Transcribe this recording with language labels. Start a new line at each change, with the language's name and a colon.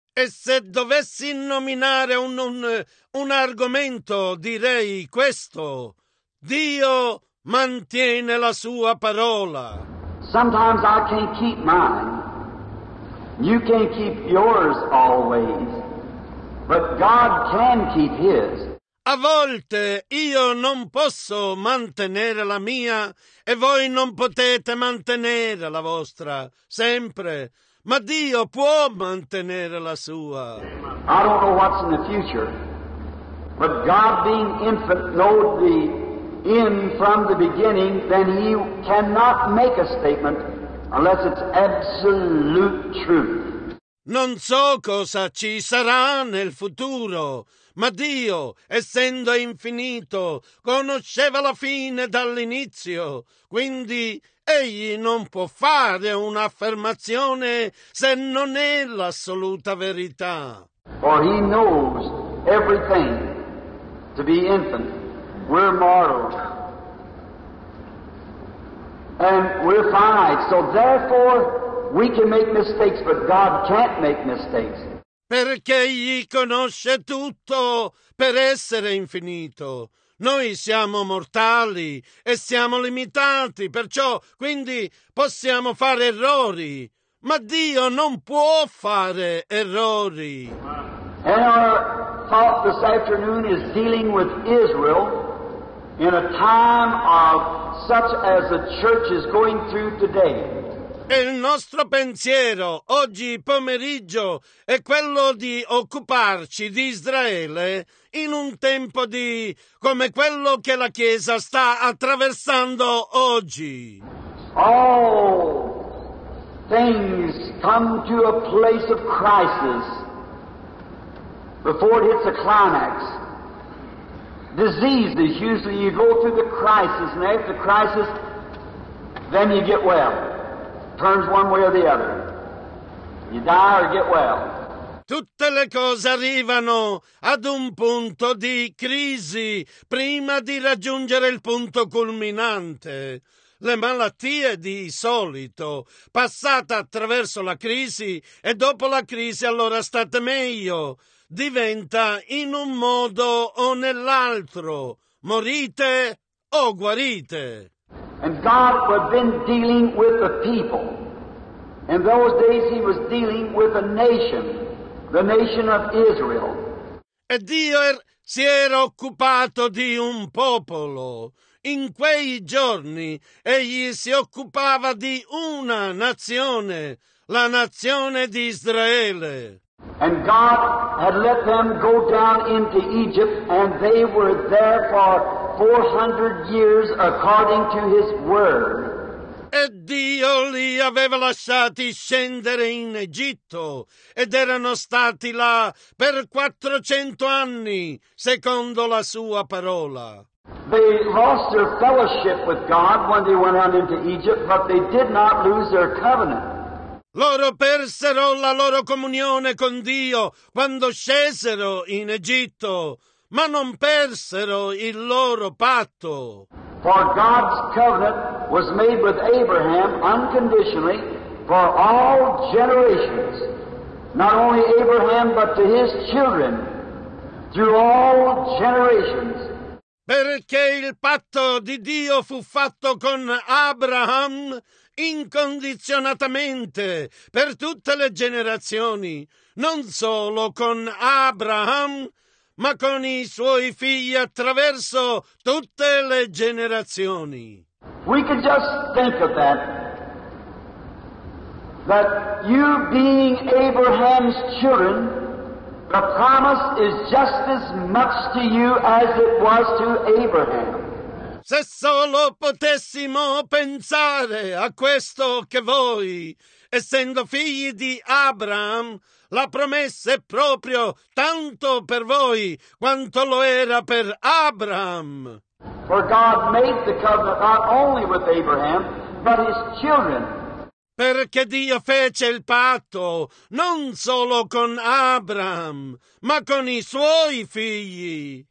Italian: E se dovessi nominare un argomento, direi questo: Dio mantiene la sua parola.
English: Sometimes I can't keep mine. You can't keep yours always. But God can keep his.
Italian: A volte io non posso mantenere la mia e voi non potete mantenere la vostra, sempre. Ma Dio può mantenere la sua.
English: I don't know what's in the future, but God being infinite knows the end from the beginning, then he cannot make a statement unless it's absolute truth.
Italian: Non so cosa ci sarà nel futuro, ma Dio, essendo infinito, conosceva la fine dall'inizio, quindi egli non può fare un'affermazione se non è l'assoluta verità.
English: For he knows everything to be infinite. We're mortal. And we're finite. So therefore, we can make mistakes, but God can't make mistakes.
Italian: Perché egli conosce tutto per essere infinito. Noi siamo mortali e siamo limitati, perciò quindi possiamo fare errori, ma Dio non può fare errori.
English: And our thought this afternoon is dealing with Israel in a time of such as the church is going through today.
Italian: Il nostro pensiero oggi pomeriggio è quello di occuparci di Israele in un tempo di come quello che la Chiesa sta attraversando oggi.
English: All things come to a place of crisis before it hits a climax. Diseases, usually you go through the crisis, and after the crisis, then you get well. Turns one way or the other. You die or get well.
Italian: Tutte le cose arrivano ad un punto di crisi prima di raggiungere il punto culminante. Le malattie di solito, passata attraverso la crisi e dopo la crisi allora state meglio, diventa in un modo o nell'altro, morite o guarite.
English: And God was then dealing with the people. In those days he was dealing with a nation, the nation of Israel.
Italian: E Dio si era occupato di un popolo. In quei giorni egli si occupava di una nazione, la nazione di Israele.
English: And God had let them go down into Egypt, and they were there for 400 years according to his word.
Italian: E Dio li aveva lasciati scendere in Egitto, ed erano stati là per 400 anni, secondo la sua parola.
English: They lost their fellowship with God when they went out into Egypt, but they did not lose their covenant.
Italian: Loro persero la loro comunione con Dio quando scesero in Egitto, ma non persero il loro patto.
English: For God's covenant was made with Abraham unconditionally for all generations, not only Abraham but to his children through all generations.
Italian: Perché il patto di Dio fu fatto con Abraham incondizionatamente per tutte le generazioni, non solo con Abraham, ma con i suoi figli attraverso tutte le generazioni.
English: We could just think of that. That you being Abraham's children, the promise is just as much to you as it was to Abraham.
Italian: Se solo potessimo pensare a questo che voi, essendo figli di Abraham, la promessa è proprio tanto per voi quanto lo era per Abraham.
English: For God made the covenant not only with Abraham, but his children.
Italian: Perché Dio fece il patto non solo con Abraham, ma con i suoi figli.